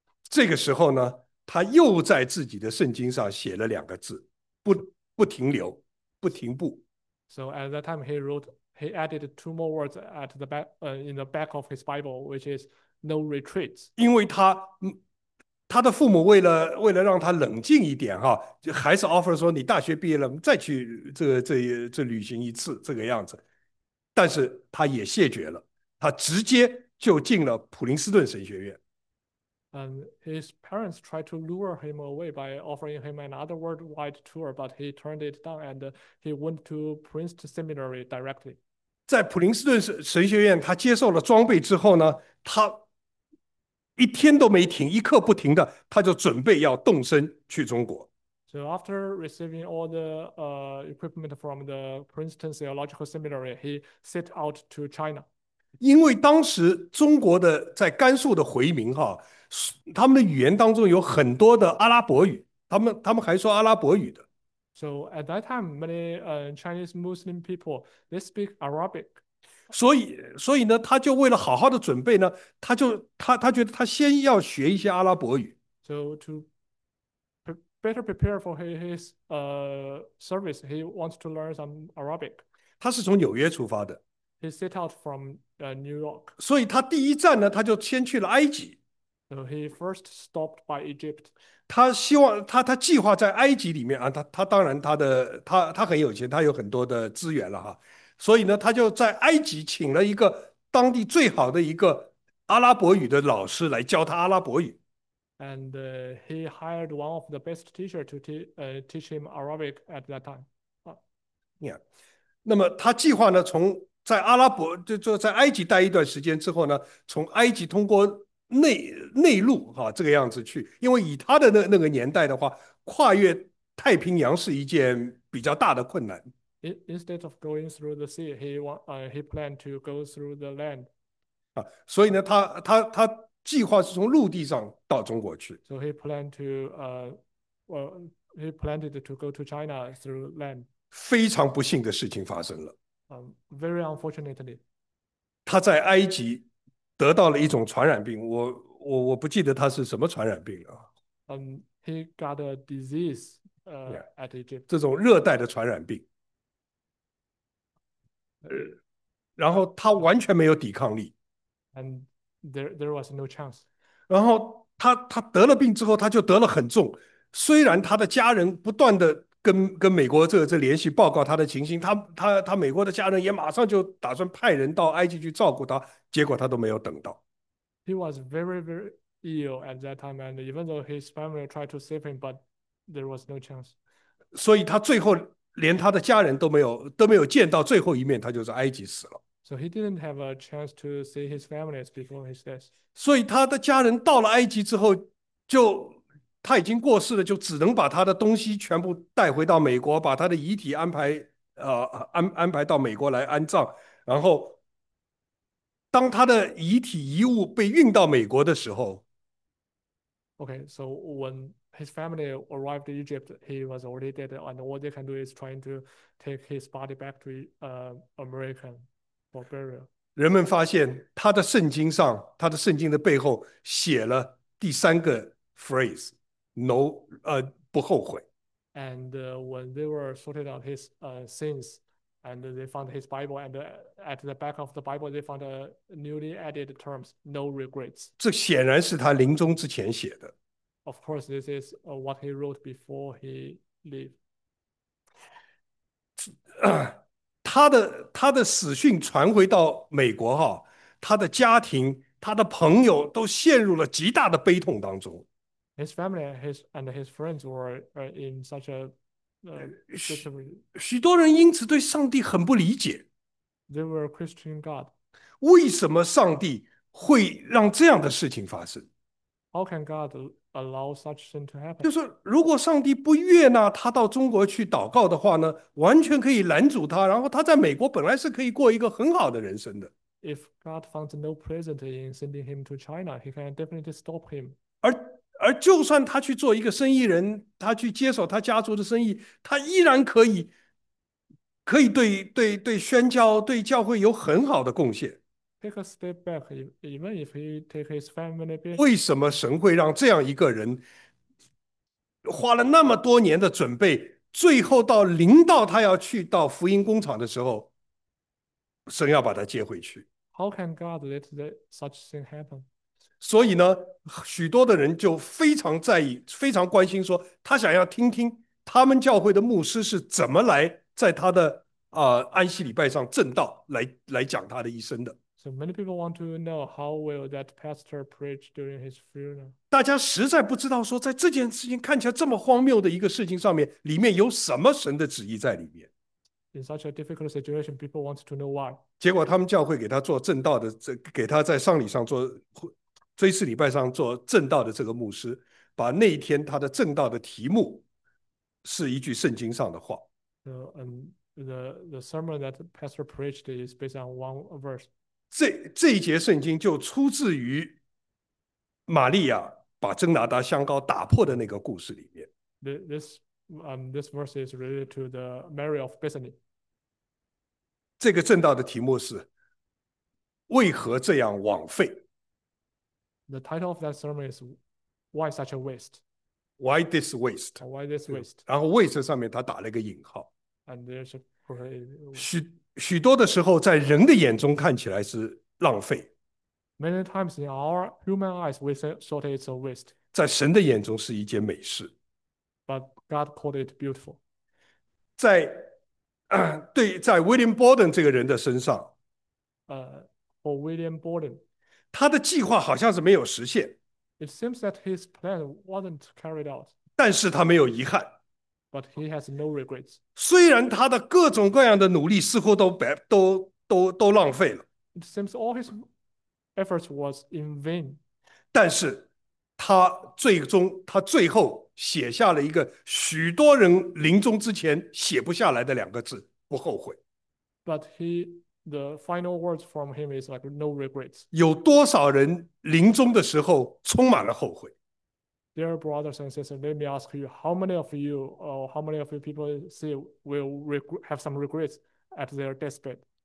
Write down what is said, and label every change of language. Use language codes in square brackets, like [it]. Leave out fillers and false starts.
[zh] 这个时候呢，他又在自己的圣经上写了两个字，不停留，不停步。 [en] So at that time, he added two more words at the back, in the back of his Bible, which is no retreats. [zh] 因为他的父母为了让他冷静一点哈，就还是 offer 说你大学毕业了再去这旅行一次这个样子，但是他也谢绝了，他直接就进了普林斯顿神学院。 [en] And his parents tried to lure him away by offering him another worldwide tour, but he turned it down and he went to Princeton Seminary directly. [zh] 在普林斯顿神学院，他接受了装备之后呢，他一天都没停，一刻不停的，他就准备要动身去中国。 [en] So after receiving all the equipment from the Princeton Theological Seminary, he set out to China. [zh] 因为当时中国的在甘肃的回民哈，他们的语言当中有很多的阿拉伯语，他们还说阿拉伯语的。 [en] So at that time, many Chinese Muslim people they speak Arabic. [zh] 所以呢，他就为了好好的准备呢，他觉得他先要学一些阿拉伯语。 [en] So to better prepare for his service, he wants to learn some Arabic. [zh] 他是从纽约出发的， [en] He set out from New York. [zh] 所以他第一站呢，他就先去了埃及。 [en] So he first stopped by Egypt. [zh] 他希望他计划在埃及里面啊，他当然他的他很有钱，他有很多的资源了哈。所以呢，他就在埃及请了一个当地最好的一个阿拉伯语的老师来教他阿拉伯语。 [en] And he hired one of the best teachers to teach him Arabic at that time. [zh] 那么他计划呢，从在阿拉伯就在埃及待一段时间之后呢，从埃及通过内陆哈，这个样子去，因为以他的那个年代的话，跨越太平洋是一件比较大的困难。 [en] Instead of going through the sea, he planned to go through the land. [zh] 啊，所以呢，他计划是从陆地上到中国去。 [en] So he planned to, he planned to go to China through land. [zh] 非常不幸的事情发生了， [en] Very unfortunately. [zh] 他在埃及得到了一种传染病，我不记得他是什么传染病 [en] He got a disease, at Egypt. [zh] 这种热带的传染病，然后他完全没有抵抗力。 [en] And there was no chance. [zh] 然后他得了病之后，他就得了很重。虽然他的家人不断的跟美国这联系报告他的情形，他美国的家人也马上就打算派人到埃及去照顾他，结果他都没有等到。 [en] He was very, very ill at that time, and even though his family tried to save him, but there was no chance. [zh] 所以他最后连他的家人都没有见到最后一面，他就在埃及死了。 [en] So he didn't have a chance to see his family before his death. [zh] 所以他的家人到了埃及之后，他已经过世了，就只能把他的东西全部带回到美国，把他的遗体安排到美国来安葬。然后，当他的遗体遗物被运到美国的时候， [en] Okay, so when his family arrived in Egypt, he was already dead, and all they can do is trying to take his body back to America for burial. [zh] 人们发现他的圣经上，他的圣经的背后写了第三个 phrase，no，不后悔。 [en] And when they were sorted out his sins, And they found his Bible, and at the back of the Bible, they found a newly added terms, no regrets. [zh] 这显然是他临终之前写的。 [en] Of course, this is what he wrote before he lived. [zh] 他的死讯传回到美国哈，他的家庭、他的朋友都陷入了极大的悲痛当中。 [en] His family and his friends were in such a such a [zh] 许多人因此对上帝很不理解， [en] they were Christian God. [zh] 为什么上帝会让这样的事情发生？ [en] How can God allow such thing to happen? [zh] 就是如果上帝不悦纳他到中国去祷告的话呢，完全可以拦阻他，然后他在美国本来是可以过一个很好的人生的。 [en] If God found no pleasure in sending him to China, he can definitely stop him. [zh] 而就算他去做一个生意人，他去接手他家族的生意，他依然可以对宣教、对教会有很好的贡献。 [en] Take a step back, even if he take his family [zh] 为 [en] business. [zh] 什么神会让这样一个人花了那么多年的准备，最后到临到他要去到福音工厂的时候，神要把他接回去？ [en] How can God let such thing happen? [zh] 所以呢，许多的人就非常在意、非常关心，说他想要听听他们教会的牧师是怎么来在他的安息礼拜上证道，来讲他的一生的。 [en] So many people want to know how will that pastor preach during his funeral? [zh] 大家实在不知道，说在这件事情看起来这么荒谬的一个事情上面，里面有什么神的旨意在里面。 [en] In such a difficult situation, people want to know why. [zh] 结果他们教会给他做证道的，这给他在上礼上做。追思礼拜上做正道的这个牧师，把那一天他的正道的题目是一句圣经上的话。 [en] The sermon that the pastor preached is based on one verse. [zh] 这一节圣经就出自于玛利亚把甄拿达香膏打破的那个故事里面。 [en] This verse is related to the Mary of Bethany. [zh] 这个正道的题目是为何这样枉费？ [en] The title of that sermon is Why Such a Waste? Why this waste？ Why this [zh] 就 [en] waste? [zh] 然后 waste 上面他打了一个引号。 [en] And there's a great waste. [zh] 许多的时候，在人的眼中看起来是浪费， [en] Many times in our human eyes, we thought it's a waste. [zh] 在神的眼中是一件美事。 [en] But God called it beautiful. [zh] 在 William Borden 这个人的身上， [en] For William Borden, [zh] 他的计划好像是没有实现。 [en] it seems that his plan wasn't carried out. [zh] 但是他没有遗憾， [en] But he has no regrets. [zh] 虽然他的各种各样的努力似乎都白都浪费了， [en] It seems all his efforts was in vain. [zh] 但是他最后写下了一个许多人临终之前写不下来的两个字：不后悔。 [en] But the final words from him is like no regrets. [zh] 有多少人临终的时候充满了后悔？ [en] Dear brothers and sisters, let me ask you, how many of you people say will have some regrets at their deathbed?